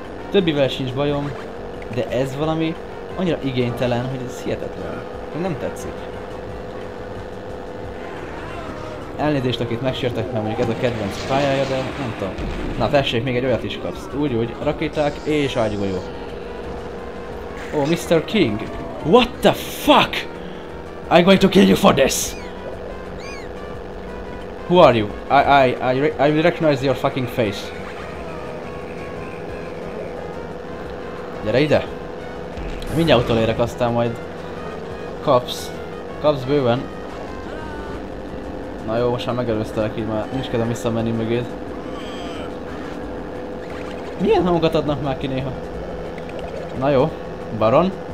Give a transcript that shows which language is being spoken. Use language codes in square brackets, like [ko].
[hu] Többivel sincs bajom, de ez valami annyira igénytelen, hogy ez hihetetlen. Nem tetszik. Elnézést, akit megsértek, mert mondjuk ez a kedvenc pályája, de nem tudom. Na tessék, még egy olyat is kapsz. Úgy, rakéták és ágygolyó. [en] Oh, Mr. King! What the fuck? I'm going to kill you for this! Who are you? I recognize your fucking face. [hu] Gyere ide! Mindjárt utolérek, aztán majd kapsz. Kapsz bőven. Na jó, most már megelőztelek így, már nincs kedvem visszamenni mögéd. Milyen hangokat adnak már ki néha? Na jó, Baron.